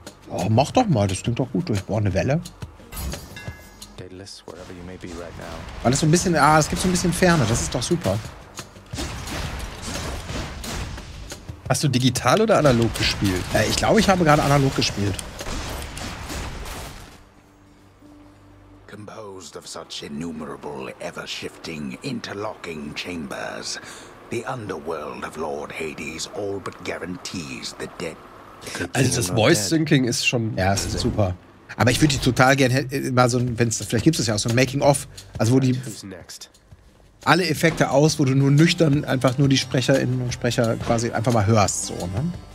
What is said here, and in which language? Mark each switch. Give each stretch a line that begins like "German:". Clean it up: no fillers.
German: Oh, mach doch mal, das klingt doch gut. Ich brauche eine Welle. Weil es so ein bisschen... Ah, es gibt so ein bisschen Ferne, das ist doch super. Hast du digital oder analog gespielt? Ich glaube, ich habe gerade analog gespielt.
English: Composed of such innumerable, ever-shifting, interlocking chambers, the underworld of Lord Hades all but guarantees the dead.
German: Also das Voice-Syncing ist schon... Ja, es ist super. Aber ich würde die total gerne mal so ein, wenn's, vielleicht gibt es ja auch so ein Making-of, also wo die alle Effekte aus, wo du nur nüchtern einfach nur die Sprecherinnen und Sprecher quasi einfach mal hörst, so, ne?